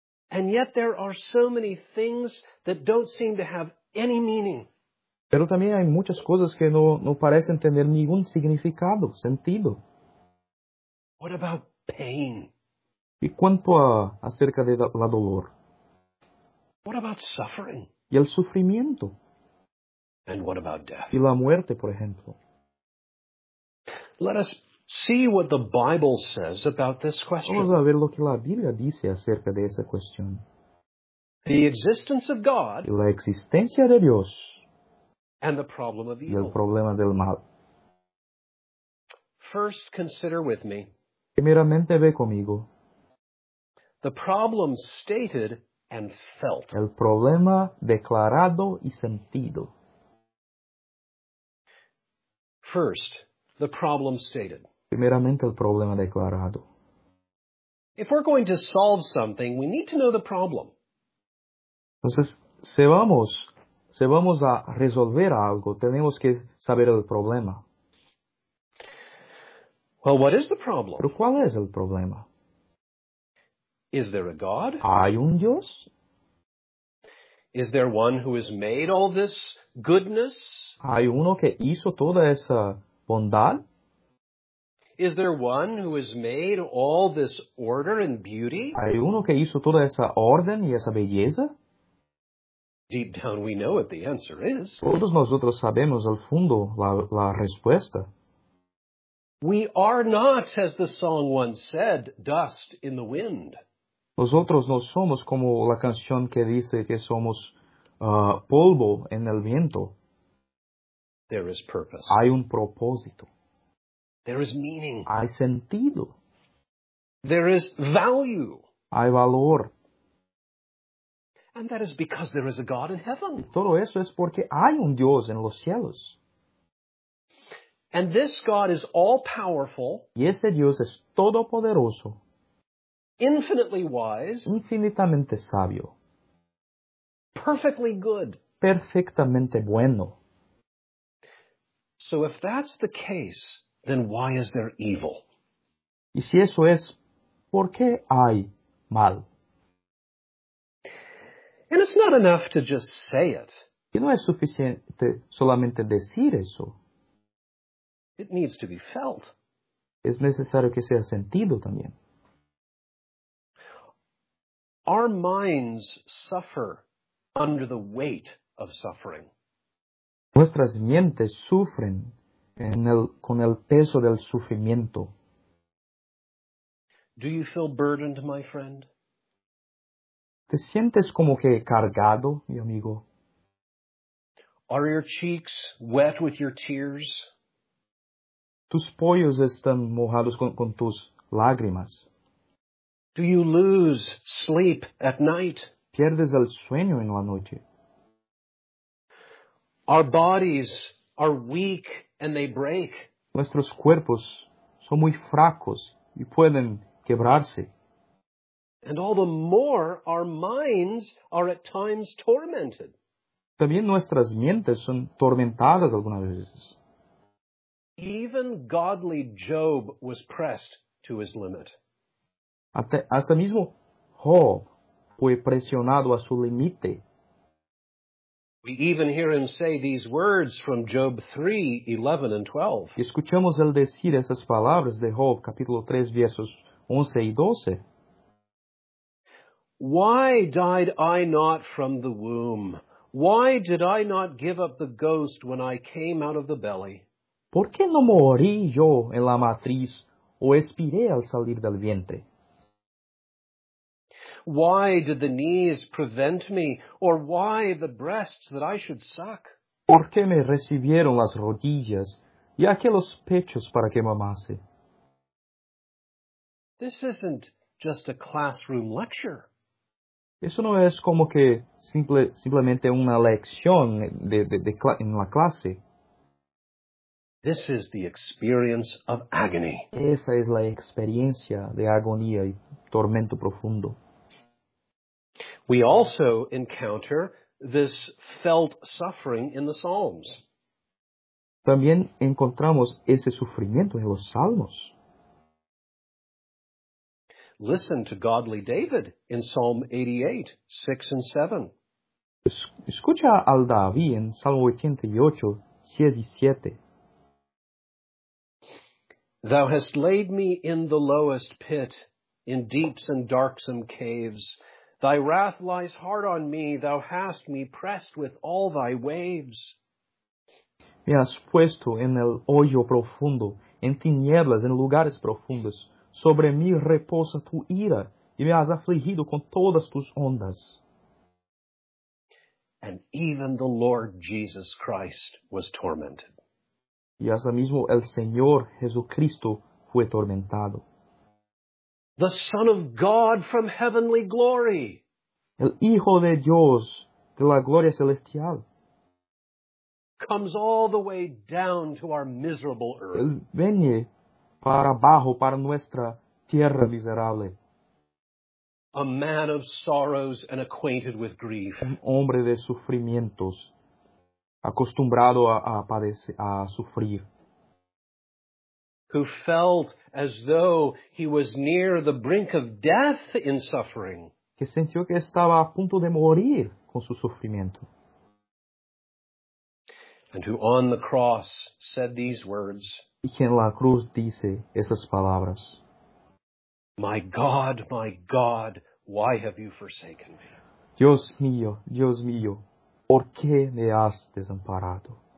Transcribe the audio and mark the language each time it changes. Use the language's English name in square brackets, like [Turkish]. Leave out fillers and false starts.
[English] And yet there are so many things that don't seem to have any meaning. [Spanish] Pero también hay muchas cosas que no parecen tener ningún significado, sentido. [English] What about pain? [Spanish] ¿Y cuánto acerca de la dolor? [English] What about suffering? [Spanish] ¿Y el sufrimiento? [English] And what about death? [Spanish] ¿Y la muerte, por ejemplo? [English] Let us see what the Bible says about this question. [Spanish] Vamos a ver lo que la Biblia dice acerca de esa cuestión. [English] The existence of God. [Spanish] La existencia de Dios. [English] and the problem of evil. [Spanish] Y el problema del mal. [English] First, consider with me. [Spanish] Primeramente ve conmigo. [English] The problem stated and felt. [Spanish] El problema declarado y sentido. [English] First, the problem stated. [Spanish] Primeramente el problema declarado. [English] If we're going to solve something, we need to know the problem. [Spanish] Entonces, si vamos a resolver algo, tenemos que saber el problema. [English] Well, what is the problem? [Spanish] Pero ¿cuál es el problema? [English] Is there a God? [Spanish] ¿Hay un Dios? [English] Is there one who has made all this goodness? [Spanish] ¿Hay uno que hizo toda esa bondad? [English] Is there one who has made all this order and beauty? [Spanish] ¿Hay uno que hizo toda esa orden y esa belleza? [English] Deep down we know what the answer is. [Spanish] Todos nosotros sabemos al fondo la respuesta. [English] We are not, as the song once said, dust in the wind. [Spanish] Nosotros no somos como la canción que dice que somos polvo en el viento. [English] There is purpose. [Spanish] Hay un propósito. [English] There is meaning. [Spanish] Hay sentido. [English] There is value. [Spanish] Hay valor. [English] And that is because there is a God in heaven. [Spanish] Y todo eso es porque hay un Dios en los cielos. [English] And this God is all-powerful. [Spanish] Y ese Dios es todopoderoso. [English] Infinitely wise. [Spanish] Infinitamente sabio. [English] Perfectly good. [Spanish] Perfectamente bueno. [English] So if that's the case, then why is there evil? [Spanish] Y si eso es, ¿por qué hay mal? [English] And it's not enough to just say it. [Spanish] Y no es suficiente solamente decir eso. [English] It needs to be felt. [Spanish] Es necesario que sea sentido también. [English] Our minds suffer under the weight of suffering. [Spanish] Nuestras mentes sufren con el peso del sufrimiento. [English] Do you feel burdened, my friend? [Spanish] ¿Te sientes como que cargado, mi amigo? [English] Are your cheeks wet with your tears? [Spanish] ¿Tus poros están mojados con tus lágrimas? [English] Do you lose sleep at night? [Spanish] ¿Pierdes el sueño en la noche? [English] Our bodies are weak and they break. [Spanish] Nuestros cuerpos son muy fracos y pueden quebrarse. [English] And all the more our minds are at times tormented. [Spanish] También nuestras mentes son tormentadas algunas veces. [English] Even godly Job was pressed to his limit. [Spanish] Hasta mismo Job fue presionado a su límite. [English] We even hear him say these words from Job 3, 11 and 12. [Spanish] Escuchamos él decir esas palabras de Job, capítulo 3, versos 11 y 12. [English] Why died I not from the womb? Why did I not give up the ghost when I came out of the belly? [Spanish] ¿Por qué no morí yo en la matriz o expiré al salir del vientre? [English] Why did the knees prevent me, or why the breasts that I should suck? [Spanish] ¿Por qué me recibieron las rodillas y aquellos pechos para que mamase? [English] This isn't just a classroom lecture. [Spanish] Eso no es como que simplemente una lección en la clase. [English] This is the experience of agony. [Spanish] Esa es la experiencia de agonía y tormento profundo. [English] We also encounter this felt suffering in the Psalms. [Spanish] También encontramos ese sufrimiento en los Salmos. [English] Listen to godly David in Psalm 88, 6 and 7. [Spanish] Escucha al David en Salmo 88, 6 y 7. [English] Thou hast laid me in the lowest pit, in deeps and darksome caves. Thy wrath lies hard on me, thou hast me pressed with all thy waves. [Spanish] Me has puesto en el hoyo profundo, en tinieblas, en lugares profundos. Sobre mí reposa tu ira, y me has afligido con todas tus ondas. [English] And even the Lord Jesus Christ was tormented. [Spanish] Y hasta mismo el Señor Jesucristo fue tormentado. [English] The Son of God from heavenly glory. [Spanish] El Hijo de Dios de la gloria celestial. [English] Comes all the way down to our miserable earth. [Spanish] Él viene para abajo, para nuestra tierra miserable. [English] A man of sorrows and acquainted with grief. [Spanish] Un hombre de sufrimientos, acostumbrado a sufrir. [English] Who felt as though he was near the brink of death in suffering. [Spanish] Que sintió que estaba a punto de morir con su sufrimiento. [English] And who on the cross said these words. [Spanish] Y que en la cruz dice esas palabras. [English] My God, why have you forsaken me? [Spanish] Dios mío, ¿por qué me has desamparado?